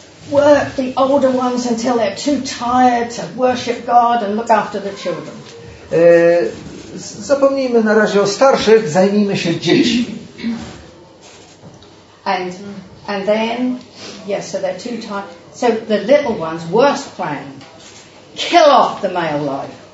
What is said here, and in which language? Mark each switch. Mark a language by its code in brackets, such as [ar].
[en] Work the older ones until they're too tired to worship God and look after the children. [pl] Zapomnijmy na razie o starszych, zajmijmy się dziećmi. [en] And then, yes, so they're too tired. So the little ones, worst plan, kill off the male life.